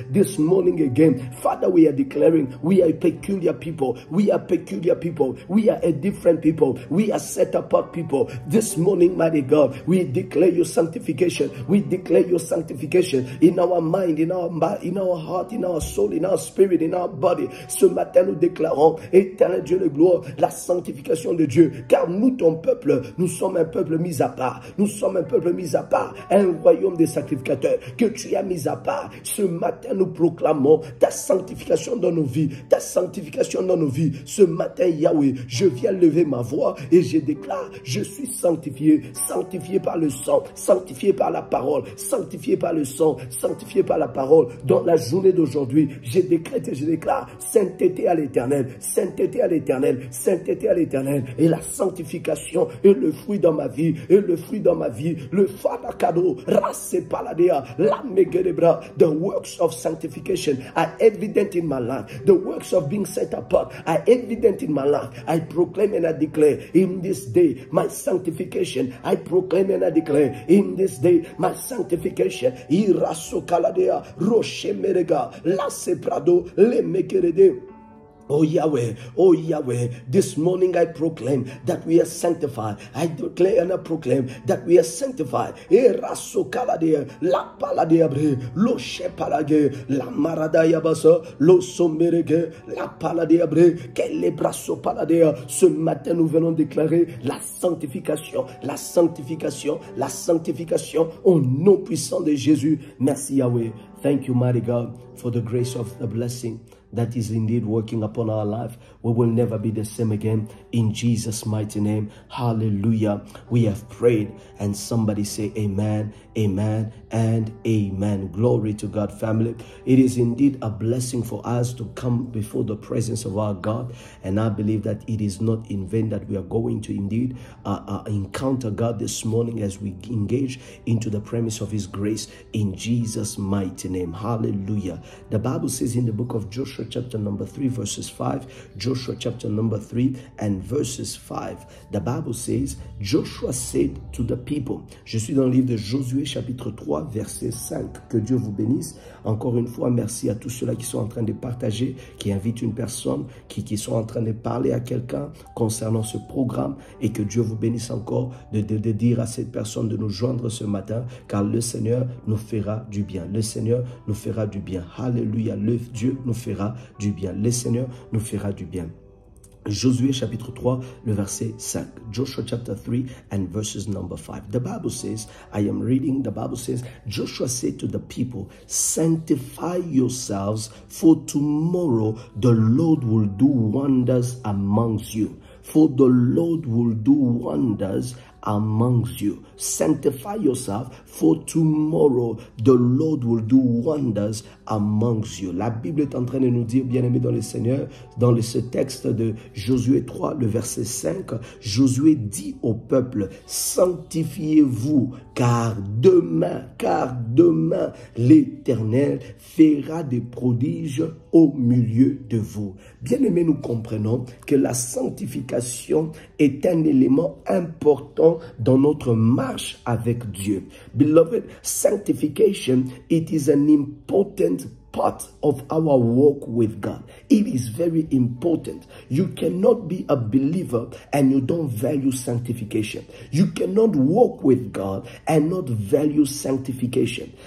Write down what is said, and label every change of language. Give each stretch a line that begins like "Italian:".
English: This morning again, Father, we are declaring, we are a peculiar people. We are peculiar people. We are a different people. We are set apart people. This morning, mighty God, we declare your sanctification. We declare your sanctification in our mind, in our heart, in our soul, in our spirit, in our body.
French: Ce matin, nous déclarons, éternel Dieu de gloire, la sanctification de Dieu. Car nous, ton peuple, nous sommes un peuple mis à part. Nous sommes un peuple mis à part. Un royaume des sacrificateurs que tu as mis à part. Ce matin, nous proclamons ta sanctification dans nos vies, ta sanctification dans nos vies. Ce matin, Yahweh, je viens lever ma voix et je déclare, je suis sanctifié, sanctifié par le sang, sanctifié par la parole, sanctifié par le sang, sanctifié par la parole. Dans la journée d'aujourd'hui, je décrète et je déclare, sainteté à l'éternel, sainteté à l'éternel, sainteté à l'éternel, et la sanctification est le fruit dans ma vie, et le fruit dans ma vie, le falakado, rase paladea, la megerebra,
English: the works of sanctification are evident in my life. The works of being set apart are evident in my life. I proclaim and I declare in this day my sanctification. I proclaim and I declare in this day my sanctification. Irasso kaladea roche merega la seprado le mekerede. Oh Yahweh, oh Yahweh, this morning I proclaim that we are sanctified. I declare and I proclaim that we are sanctified. Eraso kalade la pala de abre lo sheparage la marada yabaso lo somerege la pala de abre quel ebraso pala de.
French: Ce matin nous venons déclarer la sanctification, la sanctification, la sanctification au nom puissant de Jésus. Merci Yahweh.
English: Thank you, mighty God, for the grace of the blessing that is indeed working upon our life. We will never be the same again in Jesus' mighty name. Hallelujah. We have prayed and somebody say amen, amen, and amen. Glory to God, family. It is indeed a blessing for us to come before the presence of our God. And I believe that it is not in vain that we are going to indeed encounter God this morning as we engage into the premise of his grace in Jesus' mighty name. Hallelujah. The Bible says in the book of Joshua chapter number 3 verses 5, Joshua chapter number 3 and verses 5. The Bible says, Joshua said to the people.
French: Je suis dans le livre de Josué chapitre 3 verset 5. Que Dieu vous bénisse. Encore une fois, merci à tous ceux-là qui sont en train de partager, qui invitent une personne, qui sont en train de parler à quelqu'un concernant ce programme. Et que Dieu vous bénisse encore de dire à cette personne de nous joindre ce matin, car le Seigneur nous fera du bien. Le Seigneur nous fera du bien. Alléluia. Le Dieu nous fera du bien. Le Seigneur nous fera du bien. Josué chapitre 3, le verset 5.
English: Joshua chapter 3 and verses number 5. The Bible says, I am reading, the Bible says, Joshua said to the people, sanctify yourselves, for tomorrow the Lord will do wonders amongst you. For the Lord will do wonders amongst you. Sanctify yourself, for tomorrow the Lord will do wonders amongst you.
French: La Bible est en train de nous dire, bien-aimés dans le Seigneur, dans ce texte de Josué 3, le verset 5, Josué dit au peuple, sanctifiez-vous, car demain, l'Éternel fera des prodiges au milieu de vous. Bien-aimés, nous comprenons que la sanctification est un élément important dans notre marche avec Dieu.
English: Beloved, sanctification, it is an important part of our walk with God. It is very important. You cannot be a believer and you don't value sanctification. You cannot walk with God and not value sanctification.